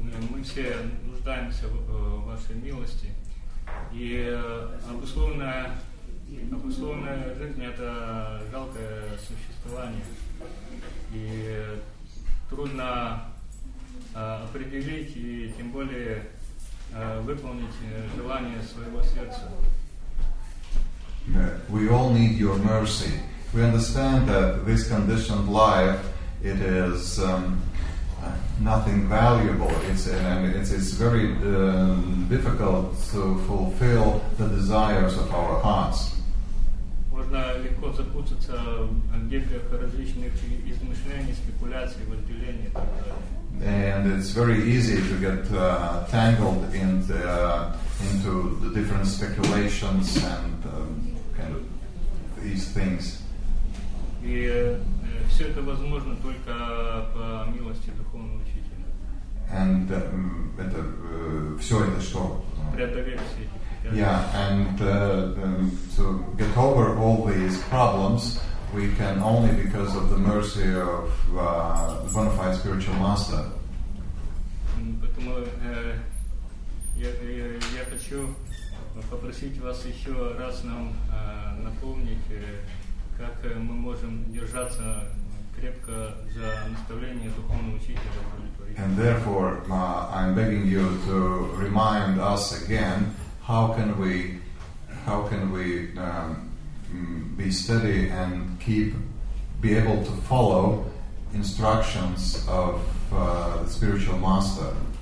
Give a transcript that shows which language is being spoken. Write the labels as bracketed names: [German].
[Russian] Мы все нуждаемся в вашей милости. И обусловленная жизнь — это жалкое существование. И трудно определить и тем более выполнить желание своего сердца. [English] We all need your mercy. We understand that this conditioned life, it is nothing valuable. It's very difficult to fulfill the desires of our hearts. [Russian] Можно легко запутаться в гибрях различных измышлений, спекуляций, возделений и так далее. [English] And it's very easy to get tangled into the different speculations and kind of these things. [Russian] И все это возможно только по милости духовного учителя. And это все это что? Преодолеть все эти. [English] Yeah, and to get over all these problems. We can only because of the mercy of the bona fide spiritual master. [Russian] Поэтому я хочу попросить вас еще раз нам напомнить, как мы можем держаться крепко за наставление духовного учителя. [English] And therefore, I'm begging you to remind us again how can we be steady and be able to follow instructions of the spiritual master.